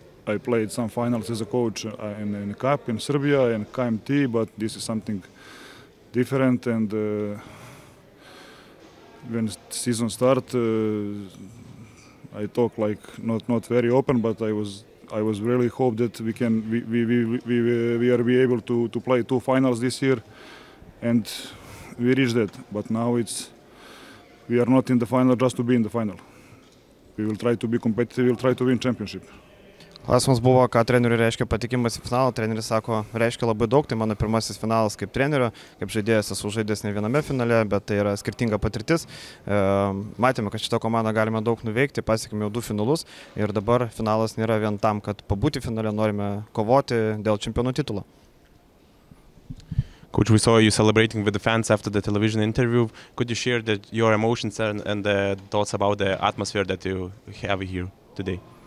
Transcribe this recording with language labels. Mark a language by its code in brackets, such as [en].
[en] I played some finals as a coach in the cup in Serbia and KMT, but this is something different, and when season start, I talk like not very open, but I was really hope that we are be able to play two finals this year, and we reached that. But now we are not in the final just to be in the final. We will try to be competitive. We'll try to win championship. [lt] Klausimas buvo, ką treneriui reiškia patikimas į finalą. Treneris sako, reiškia labai daug, tai mano pirmasis finalas kaip trenerio, kaip žaidėjas esu žaidęs ne viename finale, bet tai yra skirtinga patirtis. Matėme, kad šitą komandą galime daug nuveikti, pasiekėme jau du finalus ir dabar finalas nėra vien tam, kad pabūti finale, norime kovoti dėl čempionų titulo. [en] Coach, we saw you celebrating with the fans after the television interview. Could you share that your emotions and the thoughts about the atmosphere that you have here today?